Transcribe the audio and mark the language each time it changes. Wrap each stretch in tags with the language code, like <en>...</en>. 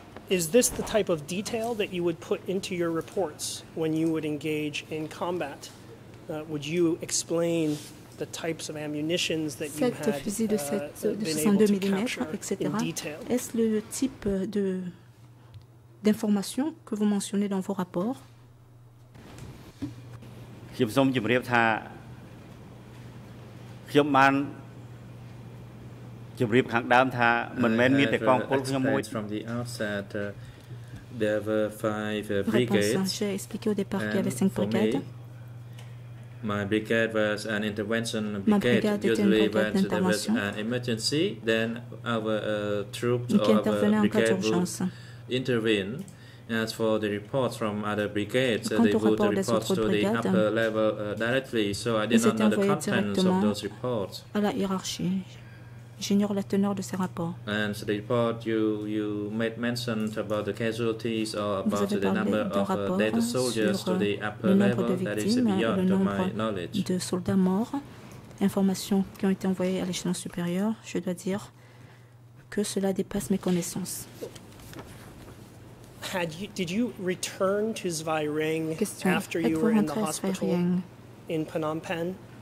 <en>Is this the type of detail that you would put into your reports when you would engage in combat? Would you explain the types of ammunitions that you had been able to capture in detail?</en> <fr>Est-ce le type d'information que vous mentionnez dans vos rapports?</fr> <en>At the start, from the outset, there were five brigades.</en> <fr>J'ai expliqué au départ qu'il y avait cinq brigades.</fr> <en>My brigade was an intervention brigade. Usually, when there was an emergency, then our troops or our brigade would intervene. As for the reports from other brigades, they would report to the upper level directly. So I did not know the contents of those reports.</en> <fr>À la hiérarchie. J'ignore la teneur de ces rapports.</fr> <en>And the report you made mentioned about the casualties or about the number of dead soldiers to the upper level, that is beyond my knowledge.</en> <fr>De soldats morts, informations qui ont été envoyées à l'échelon supérieur, je dois dire que cela dépasse mes connaissances.</fr> <en>Did you return to Zwei Ring after you were in the hospital in Phnom Penh?</en>